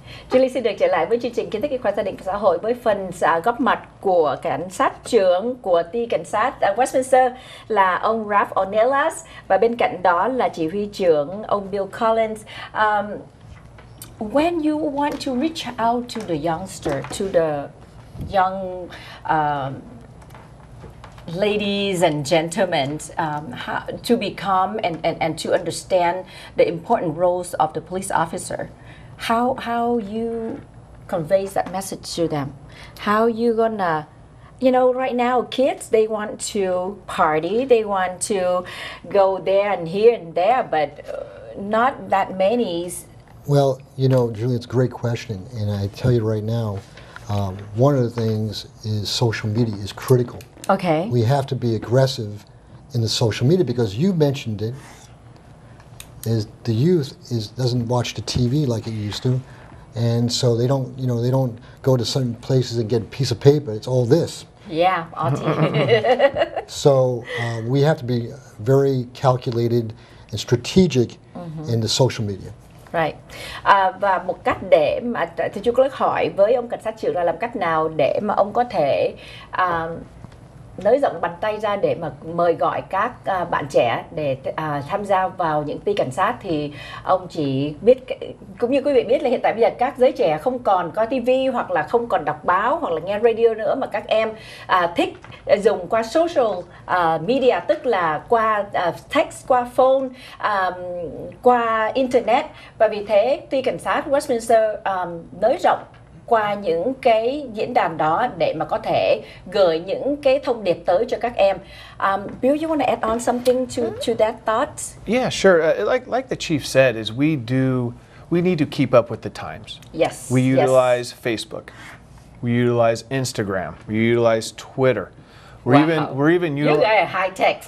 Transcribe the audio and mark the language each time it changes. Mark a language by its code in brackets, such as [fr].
[vi] Julie xin được trở lại với chương trình Kiến thức Y khoa Gia đình và Xã hội với phần góp mặt của cảnh sát trưởng của ti cảnh sát Westminster là ông Ralph Ornelas và bên cạnh đó là chỉ huy trưởng ông Bill Collins. [en] When you want to reach out to the youngster, to the young ladies and gentlemen, how, to become and to understand the important roles of the police officer, how you convey that message to them? How you gonna, you know, right now kids, they want to party, they want to go there and here and there, but not that many. Well, you know, Julie, it's a great question, and I tell you right now, one of the things is social media is critical. Okay. We have to be aggressive in the social media because you mentioned it, is the youth is doesn't watch the TV like it used to, and so they don't, you know, they don't go to certain places and get a piece of paper. It's all this. Yeah, all TV. So we have to be very calculated and strategic in the social media. Right. [vi] Và một cách để mà thì chú Clark hỏi với ông cảnh sát trưởng là làm cách nào để mà ông có thể nới rộng bàn tay ra để mà mời gọi các bạn trẻ để tham gia vào những ti cảnh sát, thì ông chỉ biết, cũng như quý vị biết là hiện tại bây giờ các giới trẻ không còn coi TV hoặc là không còn đọc báo hoặc là nghe radio nữa, mà các em thích dùng qua social media, tức là qua text, qua phone, qua internet. Và vì thế ti cảnh sát Westminster nới rộng qua những cái diễn đàn đó để mà có thể gửi những cái thông điệp tới cho các em. [en] Bill, you want to add on something to that thought? Yeah, sure. Like the chief said, is we need to keep up with the times. Yes. We utilize Facebook. We utilize Instagram. We utilize Twitter. You guys are high tech.